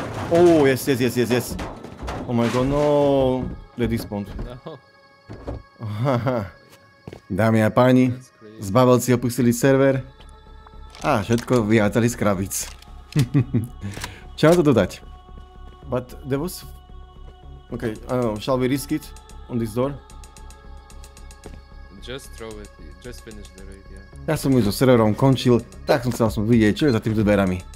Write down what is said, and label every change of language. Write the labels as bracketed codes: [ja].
[en] Oh, yes, yes, yes, yes, yes. Oh my god, no. They despawned. No. [sk] Dámy a páni, zbavelci opustili server. A všetko vyjátali z krabic. Čo mám to dodať? [en] But there was... Okay, I don't know, shall we risk it on this door? Just throw it, just finish the raid, yeah. [sk] Ja som už so serverom končil, tak som chcel som vidieť, čo je za týmto dverami.